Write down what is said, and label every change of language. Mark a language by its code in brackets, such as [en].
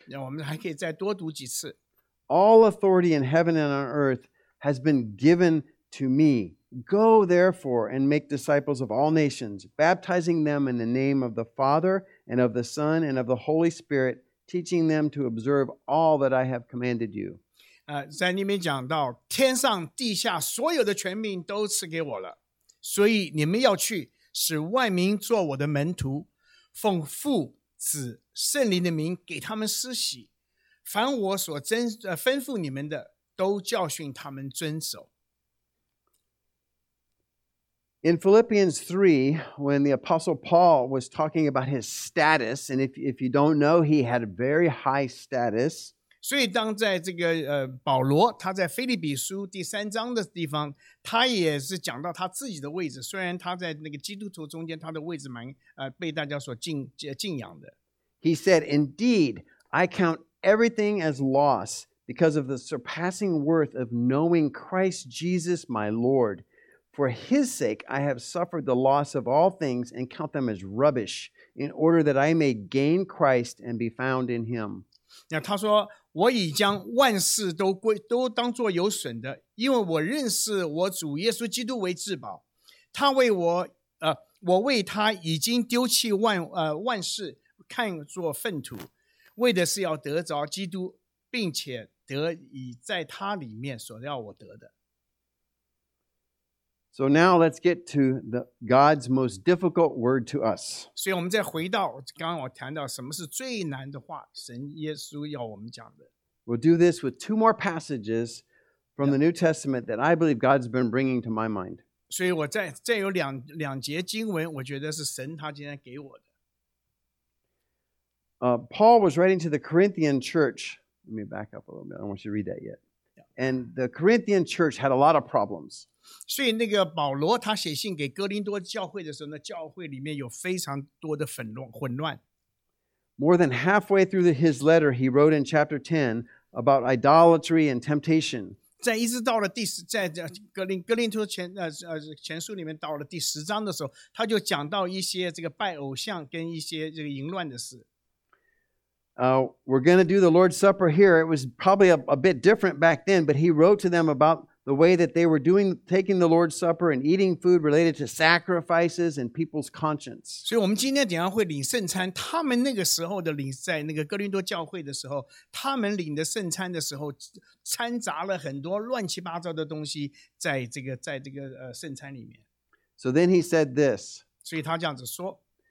[zh] 我们还可以再多读几次。 [en] All authority in heaven and on earth has been given to me. Go therefore and make disciples of all nations, baptizing them in the name of the Father and of the Son and of the Holy Spirit, teaching them to observe all that I have commanded you. [zh] 在里面讲到，天上地下所有的权柄都赐给我了。所以你们要去使万民做我的门徒奉父子圣灵的名给他们施洗凡我所吩咐你们的都教训他们遵守 [en] In Philippians 3 when the apostle Paul was talking about his status and if you don't know he had a very high status [zh] 所以当在这个保罗他在腓立比书第三章的地方他也是讲到他自己的位置虽然他在那个基督徒中间他的位置蛮被大家所敬仰的。 [en] He said, Indeed, I count everything as loss because of the surpassing worth of knowing Christ Jesus my Lord. For his sake, I have suffered the loss of all things and count them as rubbish in order that I may gain Christ and be found in him. [zh] 那他说我已将万事都当作有损的因为我认识我主耶稣基督为至宝他为我我为他已经丢弃 万事看作粪土为的是要得着基督并且得以在他里面所要我得的 [en] So now let's get to God's most difficult word to us. [zh] 所以我们再回到刚刚我谈到什么是最难的话神耶稣要我们讲的。 [en] We'll do this with two more passages from the New Testament that I believe God's been bringing to my mind. [zh] 所以我在这有两节经文，我觉得是神他今天给我的。 [en] Paul was writing to the Corinthian church. Let me back up a little bit. I don't want you to read that yet. And the Corinthian church had a lot of problems. [zh] 所以那个保罗他写信给哥林多教会的时候，那教会里面有非常多的混乱。 [en] More than halfway through his letter, he wrote in chapter 10 about idolatry and temptation. [zh] 在一直到了第十，在哥林多 前书里面到了第十章的时候，他就讲到一些这个拜偶像跟一些这个淫乱的事。 [en] We're going to do the Lord's Supper here. It was probably a bit different back then, but he wrote to them about the way that they were taking the Lord's Supper and eating food related to sacrifices and people's conscience. [zh] 所以我们今天等一下会领圣餐，他们那个时候的领，在那个哥林多教会的时候，他们领的圣餐的时候，掺杂了很多乱七八糟的东西在这个圣餐里面。 [en] So then he said this. [zh] 所以他这样子说。